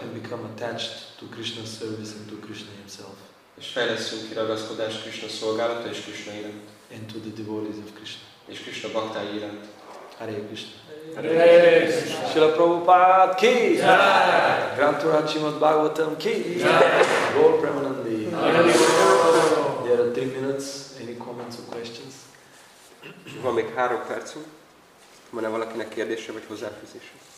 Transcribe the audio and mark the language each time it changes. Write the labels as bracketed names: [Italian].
[English] And become attached to Krishna's service and to Krishna himself. [Hungarian] És fejlesszünk ki ragaszkodást Krishna szolgálata és Krishna iránt. [English] And to the devotees of Krishna. [Hungarian] És Krishna bhaktái iránt. [Sanskrit] Hare Krishna. Hare Krishna. Srila Prabhupada ki. Jai. Granthura Srimad Bhagavatam ki. Jai. Gaur Premanandi. Jai. [English] There are 3 minutes. Any comments or questions? [Hungarian] Van még 3 percünk. Van-e valakinek kérdése vagy hozzáfűzése?